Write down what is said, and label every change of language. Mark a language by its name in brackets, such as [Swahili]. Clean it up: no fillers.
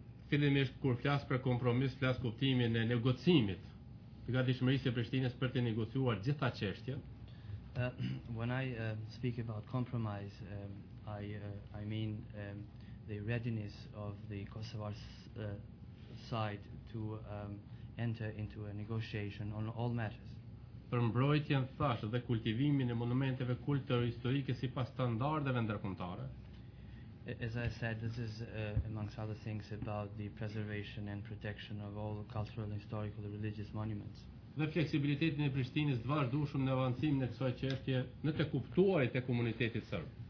[Albanian] Fillimisht kur flas për kompromis, flas kuptimin e negocimit. Gatishmërisë e Prishtinës për të negociuar gjitha çështjet, [English] When I speak about compromise, I mean the readiness of the Kosovar side to enter into a negotiation on all matters. [Albanian] Për mbrojtjen thash dhe kultivimin e monumenteve kulturo-historike sipas standardeve ndërkombëtare. [English] As I said, this is, amongst other things, about the preservation and protection of all cultural, historical, and religious monuments. [Albanian] Dhe fleksibilitetin e Prishtinës të vazhdueshëm në avancimin e kësaj çështje në të kuptuarit të komunitetit serb.